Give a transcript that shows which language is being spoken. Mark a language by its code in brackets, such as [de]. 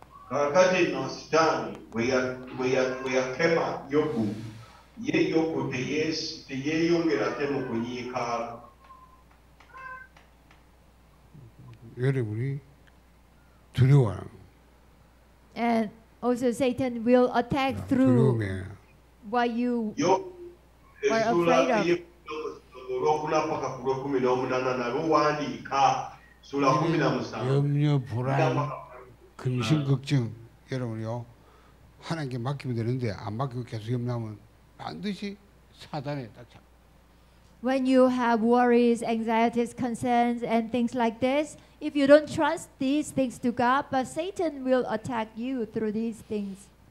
[en] And also Satan will attack through what you are afraid of. [ko] 염려, 불안, 근심, 걱정, 여러분이요. 하나님께 맡기면 되는데 안 맡기고 계속 염려하면 반드시 사단에 딱 잡. [en] When you have worries, anxieties, concerns, and things like this, if you don't trust these things to God, but Satan will attack you through these things.